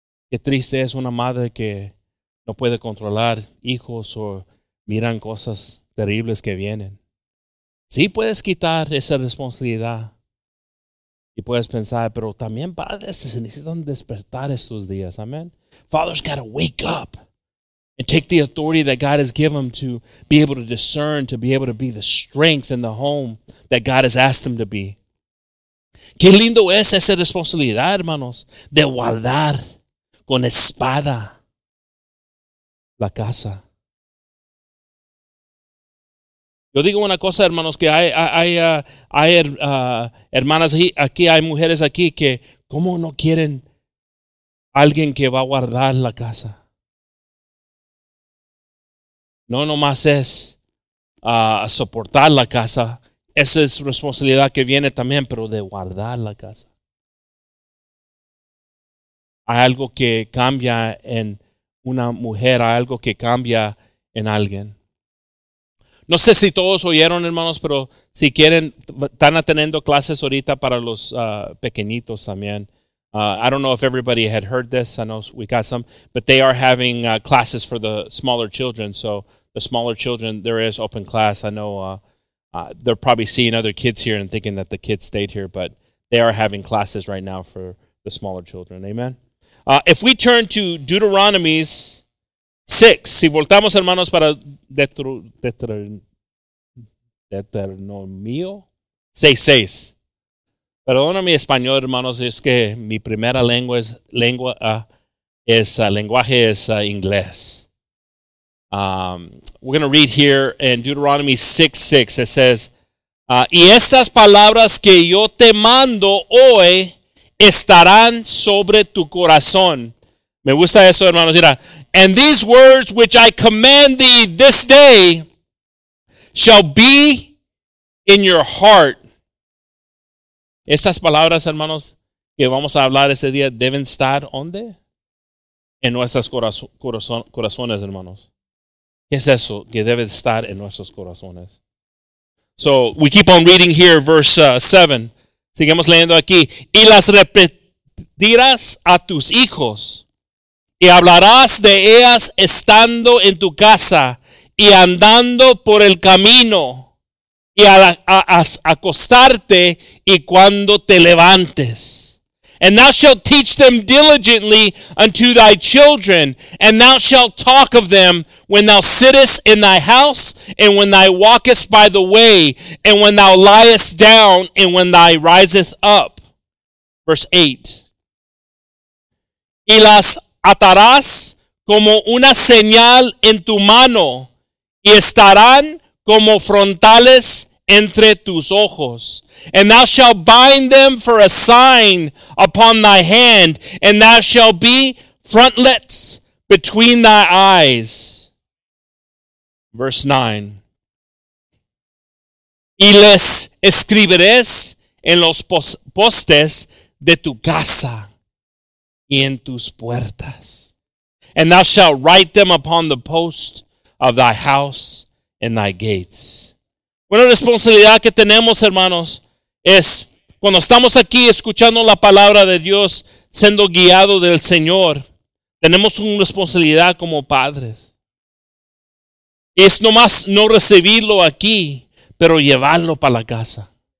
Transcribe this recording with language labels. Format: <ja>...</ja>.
<es>Qué triste es una madre que no puede controlar hijos o miran cosas terribles que vienen. Sí puedes quitar esa responsabilidad. Y puedes pensar, pero también padres se necesitan despertar estos días. Amen.</es> <en>Fathers got to wake up and take the authority that God has given them to be able to discern, to be able to be the strength in the home that God has asked them to be.</en> <es>Qué lindo es esa responsabilidad, hermanos, de guardar con espada la casa. Yo digo una cosa, hermanos, que hay hermanas aquí, hay mujeres aquí que cómo no quieren alguien que va a guardar la casa. No nomás es soportar la casa. Esa es responsabilidad que viene también, pero de guardar la casa. Hay algo que cambia en una mujer, hay algo que cambia en alguien. No sé si todos oyeron, hermanos, pero si quieren, están teniendo clases ahorita para los pequeñitos también.</es> <en>I don't know if everybody had heard this. I know we got some. But they are having classes for the smaller children. So the smaller children, there is open class. I know they're probably seeing other kids here and thinking that the kids stayed here. But they are having classes right now for the smaller children. Amen. If we turn to Deuteronomy 6,</en> <es>si voltamos, hermanos, para Deuteronomio 6:6. Perdona mi español, hermanos, es que mi primera lengua es lenguaje es inglés.</es> <en>We're going to read here in Deuteronomy 6:6. It says,</en> <es>y estas palabras que yo te mando hoy estarán sobre tu corazón. Me gusta eso, hermanos. Mira.</es> <en>And these words which I command thee this day shall be in your heart.</en> <es>Estas palabras, hermanos, que vamos a hablar ese día, deben estar ¿dónde? En nuestros corazones, hermanos. ¿Qué es eso que debe estar en nuestros corazones?</es> <en>So, we keep on reading here, verse 7.</en> <es>Seguimos leyendo aquí. Y las repetirás a tus hijos, y hablarás de ellas estando en tu casa, y andando por el camino, y al acostarte, y cuando te levantes.</es> <en>And thou shalt teach them diligently unto thy children, and thou shalt talk of them when thou sittest in thy house, and when thou walkest by the way, and when thou liest down, and when thou risest up. Verse 8.</en> <es>Y las atarás como una señal en tu mano, y estarán como frontales entre tus ojos.</es> <en>And thou shalt bind them for a sign upon thy hand, and thou shalt be frontlets between thy eyes. Verse 9.</en> <es>Y les escribirás en los postes de tu casa y en tus puertas.</es> <en>And thou shalt write them upon the post of thy house and thy gates.</en> <es>Una responsabilidad que tenemos, hermanos, es cuando estamos aquí escuchando la palabra de Dios, siendo guiado del Señor, tenemos una responsabilidad como padres. Es nomás no recibirlo aquí, pero llevarlo para la casa.</es>